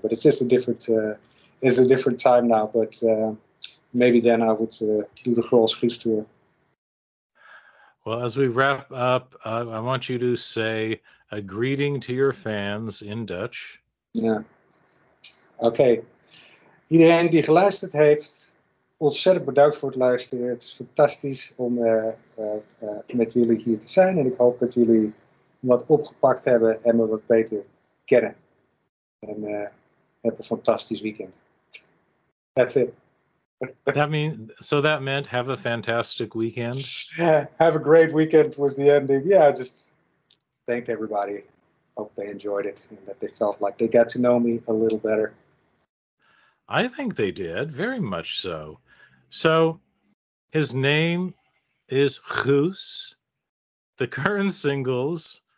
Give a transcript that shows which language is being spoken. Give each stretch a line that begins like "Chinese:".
English: But it's just a different time now. But maybe then I would do the Grolsch Gries tour. Well, as we wrap up, I want you to say a greeting to your fans in Dutch.
Dutch: Ja, oké. Iedereen die geluisterd heeft, ontzettend bedankt voor het luisteren. Het is fantastisch om met jullie hier te zijn. En ik hoop dat jullie wat opgepakt hebben en me wat beter kennen. En heb een fantastisch weekend.
English: That's it. So that meant have a fantastic weekend? Have a great weekend was the ending. Yeah, just thank everybody. Hope they enjoyed it and that they felt like they got to know me a little better. I think they did, very much so. So his name is Goose. The current singles